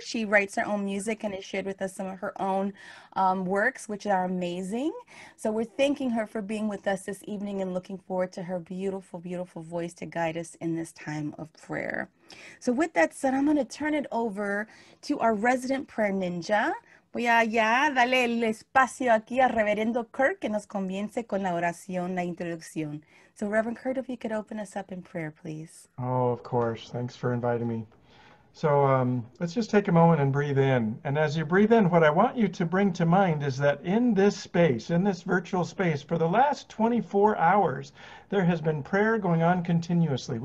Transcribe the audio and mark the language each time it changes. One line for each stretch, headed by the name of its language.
English: She writes her own music and has shared with us some of her own works, which are amazing. So we're thanking her for being with us this evening and looking forward to her beautiful, beautiful voice to guide us in this time of prayer. So with that said, I'm going to turn it over to our resident prayer ninja.
Spanish: Voy a ya darle el espacio aquí al Reverendo Kurt que nos comience con la oración, la introducción.
English: So, Reverend Kurt, if you could open us up in prayer, please. Oh, of course. Thanks for inviting me. So let's just take a moment and breathe in. And as you breathe in, what I want you to bring to mind is that in this space, in this virtual space, for the last 24 hours, there has been prayer going on continuously.